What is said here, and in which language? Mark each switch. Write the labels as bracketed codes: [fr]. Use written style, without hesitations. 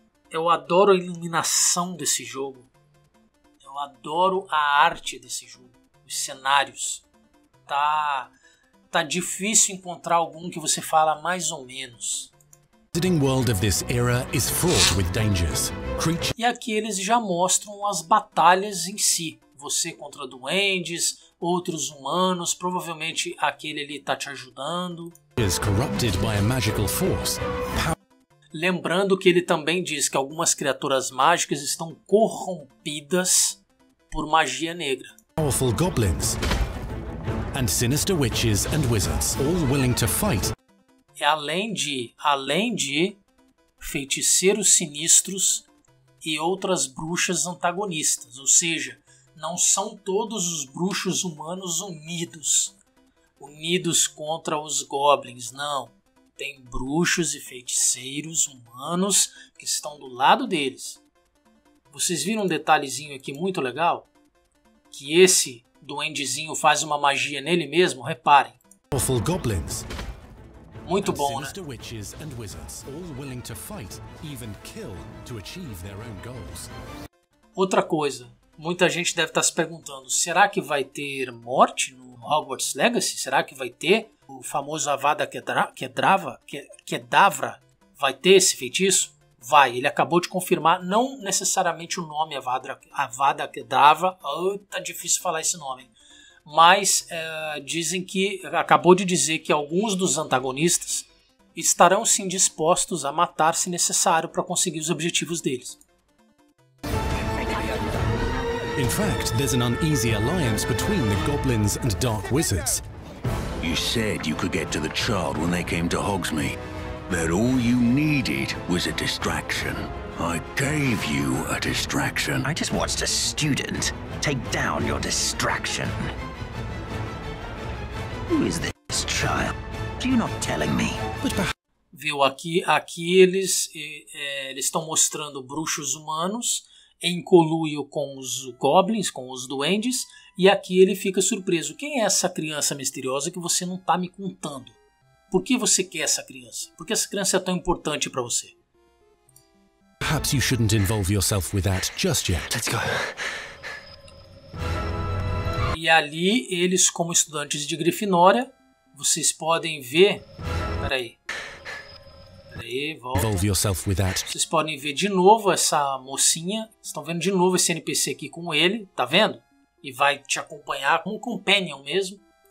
[pt] Eu adoro a iluminação desse jogo. Eu adoro a arte desse jogo. os cenários. Tá difícil encontrar algum que você fala mais ou menos. [en] The world of this era is fraught with dangers. [pt] E aqui eles já mostram as batalhas em si. Você contra duendes, outros humanos, provavelmente aquele ali tá te ajudando. [en] Is corrupted by a magical force. [pt] Lembrando que ele também diz que algumas criaturas mágicas estão corrompidas por magia negra. [en] Powerful goblins and sinister witches and wizards, all willing to fight. [pt] E além de feiticeiros sinistros e outras bruxas antagonistas, ou seja, não são todos os bruxos humanos unidos contra os goblins, não. Tem bruxos e feiticeiros humanos que estão do lado deles. Vocês viram um detalhezinho aqui muito legal? Que esse duendezinho faz uma magia nele mesmo? Reparem. [en] Powerful goblins. [pt] Muito bom, né? [en] Sinister witches and wizards, all willing to fight, even kill, to achieve their own goals. [pt] Outra coisa, muita gente deve estar se perguntando, será que vai ter morte no Hogwarts Legacy? Será que vai ter o famoso Avada Kedavra? Vai ter esse feitiço? Vai, ele acabou de confirmar, não necessariamente o nome Avada Kedavra, tá difícil falar esse nome. Mas dizem que, acabou de dizer que alguns dos antagonistas estarão sim dispostos a matar se necessário para conseguir os objetivos deles. [en] In fact, there's an uneasy alliance between the goblins and dark wizards. You said you could get to the child when they came to Hogsmeade. That all you needed was a distraction. I gave you a distraction. I just watched a student take down your distraction. Who is this child? Are you not telling me? [pt] Viu, aqui eles estão mostrando bruxos humanos em coluio com os goblins, com os duendes, e aqui ele fica surpreso. Quem é essa criança misteriosa que você não está me contando? Por que você quer essa criança? Por que essa criança é tão importante para você? [en] Perhaps you shouldn't involve yourself with that just yet. Let's go. [pt] E ali, eles como estudantes de Grifinória, vocês podem ver... Peraí, volta. [en] Involve yourself with that. [pt] Vocês podem ver de novo essa mocinha. Vocês estão vendo de novo esse NPC aqui com ele, tá vendo? E vai te acompanhar como um companion mesmo.